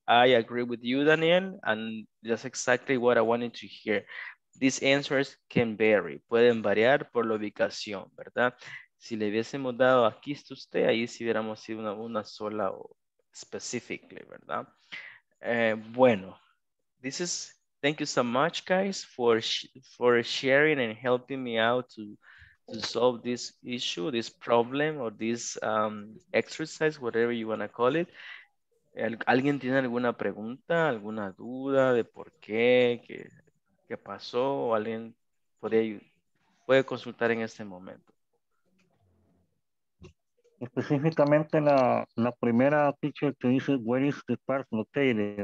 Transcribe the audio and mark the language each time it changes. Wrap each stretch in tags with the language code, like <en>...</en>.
<en>I agree with you, Daniel, and that's exactly what I wanted to hear. These answers can vary.</en> <es>Pueden variar por la ubicación, ¿verdad? Si le hubiésemos dado aquí está usted, ahí si hubiéramos sido una sola o specifically, ¿verdad?</es> <en>Bueno, this is, thank you so much, guys, for sharing and helping me out to solve this issue, this problem, or this exercise, whatever you want to call it.</en> <es>¿Alguien tiene alguna pregunta, alguna duda de por qué, qué pasó? ¿O alguien puede consultar en este momento? Específicamente la primera teacher que dice,</es> <en>where is the park located?</en>